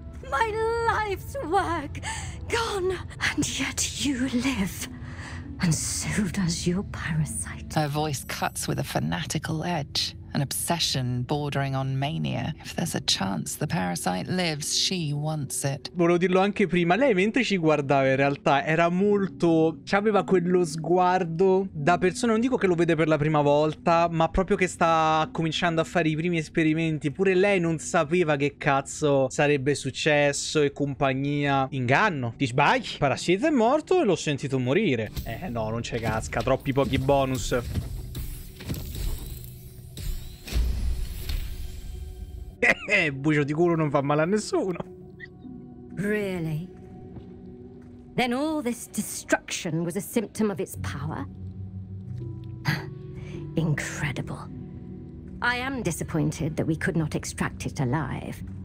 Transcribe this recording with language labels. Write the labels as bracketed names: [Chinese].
[English] My life's work gone, and yet you live, and so does your parasite. Her voice cuts with a fanatical edge, an obsession bordering on mania. If there's a chance the parasite lives, she wants it. [Italian] Volevo dirlo anche prima, lei mentre ci guardava in realtà era molto... aveva quello sguardo da persona, non dico che lo vede per la prima volta, ma proprio che sta cominciando a fare i primi esperimenti. Pure lei non sapeva che cazzo sarebbe successo e compagnia. Inganno, ti sbagli? Parassita è morto e l'ho sentito morire. No, non c'è casca, troppi pochi bonus. Bucio di culo non fa male a nessuno. [English] Really? Then all this destruction was a symptom of its power? Incredible. I am disappointed that we could not extract it alive.